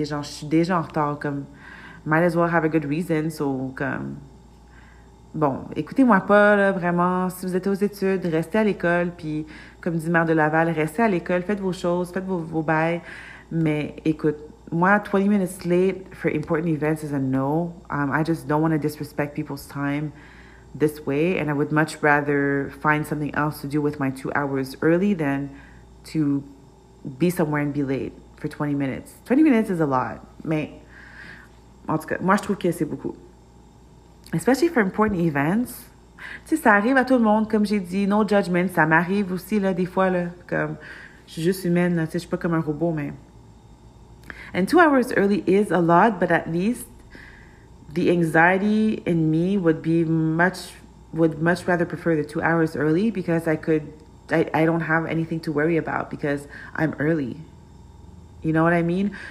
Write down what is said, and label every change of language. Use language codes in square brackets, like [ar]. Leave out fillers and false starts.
[fr] Et genre, je suis déjà en retard, comme, [en] might as well have a good reason, [fr] so, comme, bon, écoutez-moi pas, là, vraiment, si vous êtes aux études, restez à l'école, puis, comme dit Mère de Laval, restez à l'école, faites vos choses, faites vos bails, mais, écoute, moi, [en] 20 minutes late for important events is a no. I just don't want to disrespect people's time this way, and I would much rather find something else to do with my 2 hours early than to be somewhere and be late for 20 minutes. 20 minutes is a lot, [fr] mais en tout cas, moi je trouve que c'est beaucoup. [en] Especially for important events. [fr] Tu sais, ça arrive à tout le monde, comme j'ai dit, [en] no judgment, [fr] ça m'arrive aussi, là, des fois, là, comme, je suis juste humaine, là, tu sais, je suis pas comme un robot, mais. [en] And 2 hours early is a lot, but at least the anxiety in me would much rather prefer the 2 hours early because I don't have anything to worry about because I'm early. You know what I mean?